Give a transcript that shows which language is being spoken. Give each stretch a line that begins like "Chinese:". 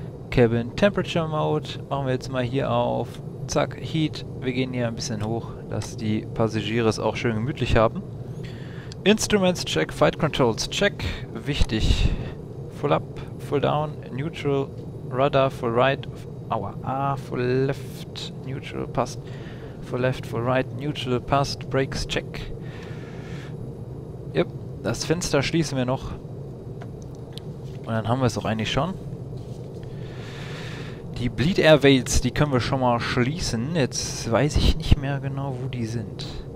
German: Cabin Temperature Mode machen wir jetzt mal hier auf. Zack, Heat. Wir gehen hier ein bisschen hoch, dass die Passagiere es auch schön gemütlich haben.
English: Instruments check, Flight Controls check.
German: Wichtig.
English: Full up, full down, neutral, Rudder, full right, full left, neutral, passt. Full left, full right, neutral, passt, brakes check.
German: Yep, das Fenster schließen wir noch. Und dann haben wir es auch eigentlich schon. Die Bleed Air Veils, die können wir schon mal schließen. Jetzt weiß ich nicht mehr genau, wo die sind.